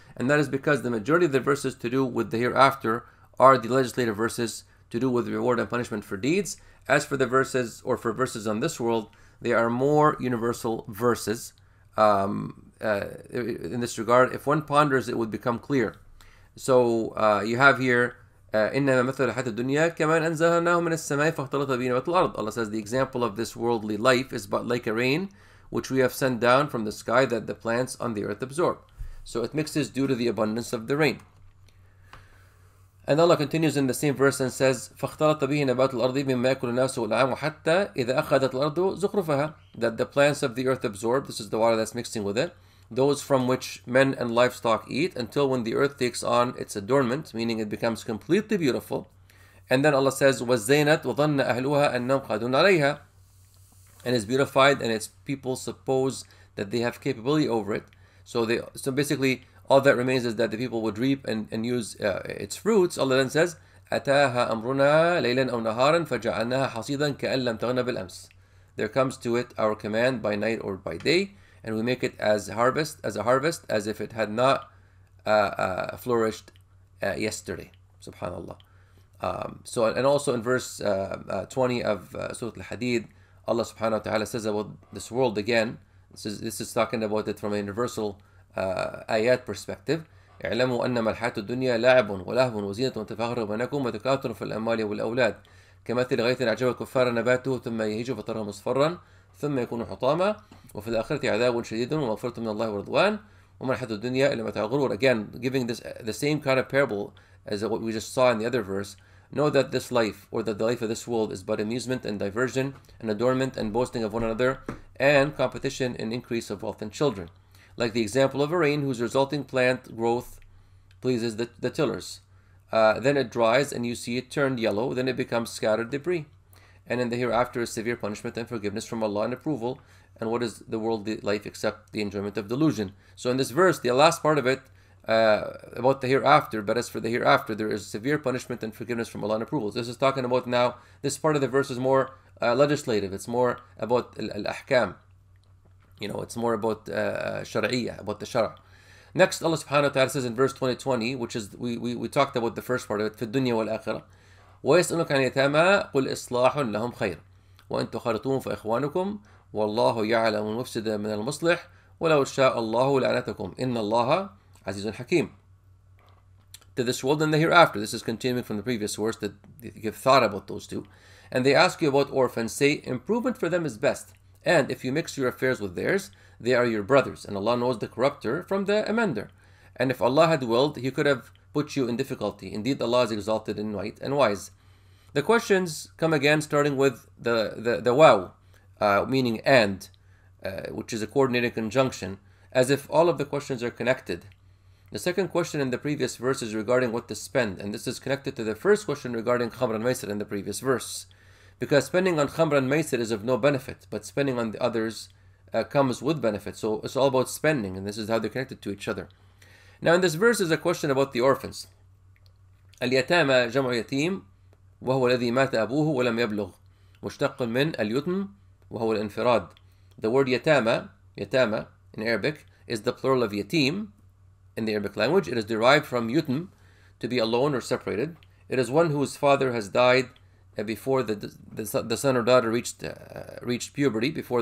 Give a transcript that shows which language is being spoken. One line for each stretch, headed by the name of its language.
English: And that is because the majority of the verses to do with the hereafter are the legislative verses to do with reward and punishment for deeds. As for the verses, or for verses on this world, they are more universal verses. In this regard, if one ponders, it would become clear.
Arabic: So you have here, إِنَّمَا مَثَلُ حَيَاةِ الدُّنْيَا كَمَاءٍ أَنْزَلْنَاهُ مِنَ السَّمَاءِ فَاخْتَلَطَ بِهِ نَبَاتُ الْأَرْضِ.
English: Allah says the example of this worldly life is but like a rain which we have sent down from the sky that the plants on the earth absorb. So it mixes due to the abundance of the rain. And Allah continues in the same verse and says,
Arabic: فَاخْتَلَطَ بِهِ نَبَاتُ الْأَرْضِ بِمَّا يَكُلُ النَّاسُ وَالْعَامُ حَتَّى إِذَا أَخَذَتْ الْأَرْضُ زُخْرُفَهَا,
English: that the plants of the earth absorb, this is the water that's mixing with it, those from which men and livestock eat, until when the earth takes on its adornment, meaning it becomes completely beautiful. And then Allah says,
Arabic: وَزَّيْنَتْ وَظَنَّ أَهْلُوهَا أَنَّمْ قَدُونَ عَلَيْهَا,
English: and it's beautified and its people suppose that they have capability over it. So basically, all that remains is that the people would reap and use its fruits. Allah then says, أَتَاهَا أَمْرُنَا لَيْلًا أَوْ نَهَارًا فَجَعَلْنَاهَا حَصِيدًا كَأَنْ لَمْ تَغْنَ بِالْأَمْسِ. There comes to it our command by night or by day, and we make it as a harvest, as if it had not flourished yesterday. Subhanallah. So, and also in verse 20 of Surah Al-Hadid, Allah subhanahu wa ta'ala says about this world again, this is talking about it from a universal ayat perspective.
Arabic: اعلموا أنما الحياة الدنيا لعب ولهو وزينة وتفاخر بينكم وتكاثر في الأموال والأولاد كمثل غيث أعجب الكفار نباته ثم يهيج فتراه مصفرا ثم يكون حطاما وفي الآخرة عذاب شديد ومغفرة من الله ورضوان وما الحياة الدنيا إلا متاع الغرور.
English: Again, giving this the same kind of parable as what we just saw in the other verse, know that this life, or that the life of this world, is but amusement and diversion and adornment and boasting of one another and competition and increase of wealth and children. Like the example of a rain whose resulting plant growth pleases the tillers. Then it dries and you see it turned yellow, then it becomes scattered debris. And in the hereafter is severe punishment and forgiveness from Allah and approval. And what is the worldly life except the enjoyment of delusion? So in this verse, the last part of it, about the hereafter, but as for the hereafter, there is severe punishment and forgiveness from Allah and approval. This is talking about now, this part of the verse is more legislative. It's more about al-ahkam. You know, it's more about shar'iyyah, about the shara. Next, Allah subhanahu wa ta'ala says in verse 20, which is, we talked about the first part of it,
Arabic: فِي الدُّنْيَا وَالْآخِرَةِ وَيَسْأَلُكَ عَنِ الْيَتَامَى قُلْ إِصْلَاحٌ لَهُمْ خَيْرٌ. وأنتم تخالطون في إخوانكم والله يعلم المفسد من المصلح ولو شاء الله لعنتكم إن الله عزيز حكيم.
English: To this world and the hereafter. This is continuing from the previous verse that you've thought about those two. And they ask you about orphans, say, improvement for them is best. And if you mix your affairs with theirs, they are your brothers. And Allah knows the corrupter from the amender. And if Allah had willed, He could have put you in difficulty. Indeed, Allah is exalted in might and wise. The questions come again, starting with the waw, meaning and, which is a coordinating conjunction, as if all of the questions are connected. The second question in the previous verse is regarding what to spend, and this is connected to the first question regarding khamr and maisir in the previous verse. Because spending on khamr and maisir is of no benefit, but spending on the others comes with benefit. So it's all about spending, and this is how they're connected to each other. Now in this verse is a question about the orphans.
Arabic: اليتامى جمع يتيم وهو الذي مات أبوه ولم يبلغ مشتق من اليتم وهو الانفراد.
English: The word يتامى in Arabic is the plural of يتيم. In the Arabic language, it is derived from yutm, to be alone or separated. It is one whose father has died before the son or daughter reached puberty.